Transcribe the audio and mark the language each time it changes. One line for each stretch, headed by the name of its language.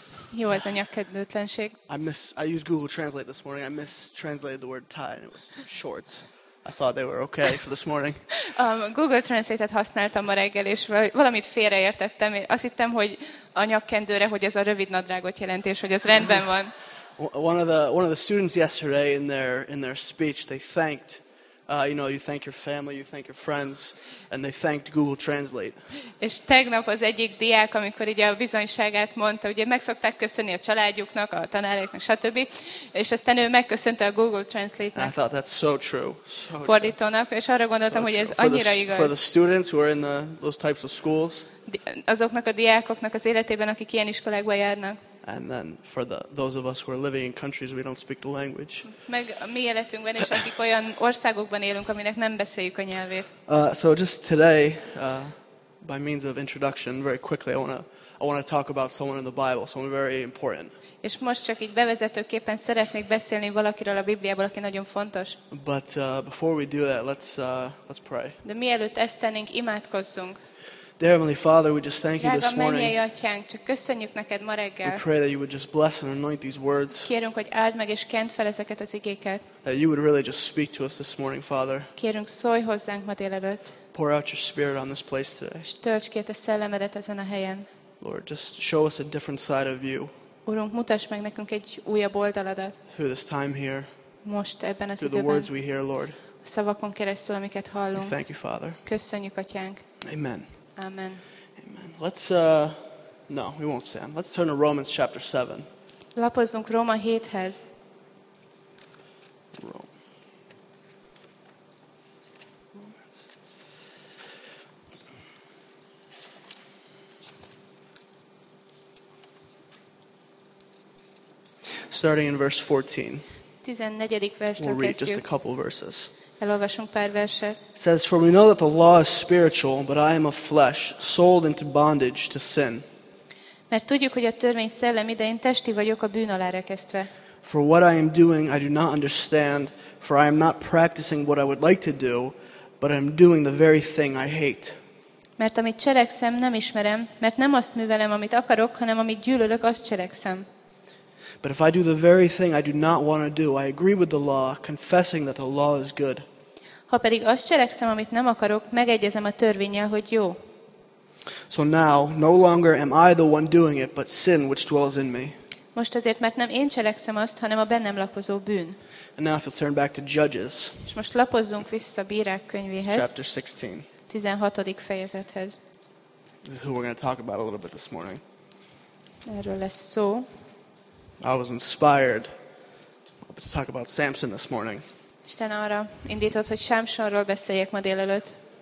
Hungarian: Jó az a nyakkendőtlenség.
English: I used Google Translate this morning. I mistranslated the word tie and it was shorts. I thought they were okay for this morning.
Hungarian: Google Translate-et használtam ma reggel, és valamit félreértettem. Azt hittem, hogy a nyakkendőre, hogy ez a rövid nadrágot jelent, és hogy ez rendben van.
English: One of the students yesterday in their speech, they thanked you thank your family, you thank your friends, and they thanked Google Translate.
Hungarian: És tegnap az egyik diák, amikor ugye a bizonyságát mondta, ugye meg szokták köszönni a családjuknak, a tanároknak, stb. És aztán ő megköszönte a Google Translate-nek.
English: I thought that's so true. So
Hungarian: fordítónak, és arra gondoltam,
English: so
Hungarian: hogy ez annyira igaz.
English: For the students who are in those types of schools.
Hungarian: Azoknak a diákoknak az életében, akik ilyen iskolákba járnak.
English: And then for those of us who are living in countries we don't speak the language.
Hungarian: Meg a mi életünkben is, akik olyan országokban élünk, aminek nem beszéljük a nyelvét.
English: So just today, by means of introduction, very quickly, I want to talk about someone in the Bible, someone very important.
Hungarian: És most csak így bevezetőképpen szeretnék beszélni valakiről a Bibliából, aki nagyon fontos.
English: But before we do that, let's pray.
Hungarian: De mielőtt ezt tennénk, imádkozzunk.
English: Dear Heavenly Father, we just thank you this morning.
Hungarian: Drága mennyei atyánk, csak köszönjük neked ma reggel.
English: We pray that you would just bless and anoint these words.
Hungarian: Kérünk, hogy áld meg és kent fel ezeket az igéket.
English: That you would really just speak to us this morning, Father.
Hungarian: Kérünk, szólj hozzánk ma délelőtt.
English: Pour out your spirit on this place today.
Hungarian: És tölts ki a te szellemedet ezen a helyen.
English: Lord, just show us a different side of you.
Hungarian: Urunk, mutass meg nekünk egy újabb oldaladat.
English: Through this time here.
Hungarian: Most ebben az időben.
English: Through the words we hear, Lord.
Hungarian: A szavakon keresztül, amiket hallunk.
English: We thank you, Father.
Hungarian: Köszönjük, atyánk.
English: Amen.
Hungarian: Amen.
English: Amen. Let's no, we won't stand. Let's turn to Romans chapter 7.
Hungarian: Lapozzunk Róma 7-hez.
English: Starting in verse 14.
Hungarian: 14. verstől kezdjük.
English: We'll read just a couple verses.
Hungarian: Elolvasunk pár verset.
English: It says, for we know that the law is spiritual, but I am of flesh, sold into bondage to sin.
Hungarian: Mert tudjuk, hogy a törvény szellemi, de én testi vagyok a bűn alá rekesztve.
English: For what I am doing, I do not understand, for I am not practicing what I would like to do, but I am doing the very thing I hate.
Hungarian: Mert amit cselekszem, nem ismerem, mert nem azt művelem, amit akarok, hanem amit gyűlölök, azt cselekszem.
English: But if I do the very thing I do not want to do, I agree with the law, confessing that the law is good.
Hungarian: Ha pedig azt cselekszem, amit nem akarok, megegyezem a törvénnyel, hogy jó.
English: So now, no longer am I the one doing it, but sin which dwells in me.
Hungarian: Most azért, mert nem én cselekszem azt, hanem a bennem lapozó bűn.
English: And now if you'll turn back to Judges.
Hungarian: És most lapozzunk vissza Bírák könyvéhez.
English: Chapter 16.
Hungarian: 16. fejezethez.
English: This is who we're going to talk about a little bit this morning.
Hungarian: Erről lesz szó.
English: I was inspired to talk about Samson this morning.
Hungarian: Isten arra indított, hogy Sámsonról beszéljek ma délelőtt.